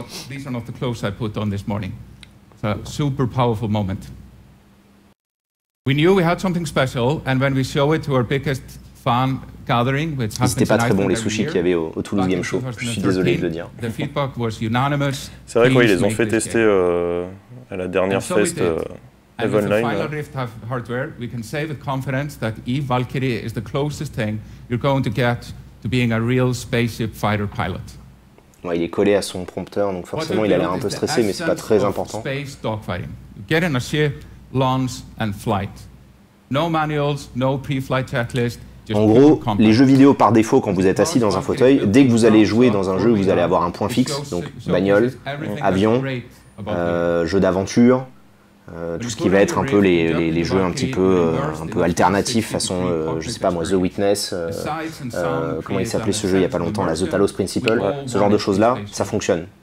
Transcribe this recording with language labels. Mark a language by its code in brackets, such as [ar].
[en] These are not the clothes I put on this morning. It's a super powerful moment. We knew we had something special, and when we show it to our biggest fan gathering, which happens in Iceland every year, [fr] sushis qu'il y avait au Toulouse Game Show. Je suis désolé de le dire. [en] The feedback was unanimous. [fr] C'est vrai quoi, ils les ont fait tester à la dernière fest Eve Online. [en] And with the final Rift hardware, we can say with confidence that Eve Valkyrie is the closest thing you're going to get to being a real spaceship fighter pilot. [fr] Ouais, il est collé à son prompteur, donc forcément il a l'air un peu stressé, mais c'est pas très important. [en] Space dogfighting. Get in a ship. Launch and flight. No manuals, no pre-flight checklist. [fr] En gros, les jeux vidéo par défaut, quand vous êtes assis dans un fauteuil, dès que vous allez jouer dans un jeu, vous allez avoir un point fixe, donc bagnole, avion, jeu d'aventure, tout ce qui va être un peu les jeux un peu alternatifs, façon, je sais pas moi, The Witness, comment il s'appelait ce jeu il y a pas longtemps, The Talos Principle, ce genre de choses là, ça fonctionne.